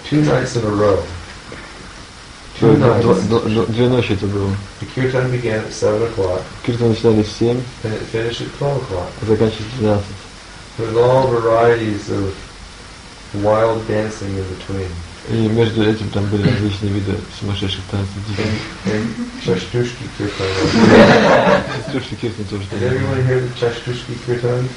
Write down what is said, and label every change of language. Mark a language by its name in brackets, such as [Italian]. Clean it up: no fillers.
[English] two nights in a row. The kirtan began at 7 o'clock. Kirtan started at 7. And it finished at 12 o'clock. I think I should do that. There's all varieties of wild dancing in between. [Russian] И между этим там были различные виды сумасшедших танцев детей. Чаштушки киртан. Чаштушки киртан тоже. [English] Did everyone hear the чаштушки киртан?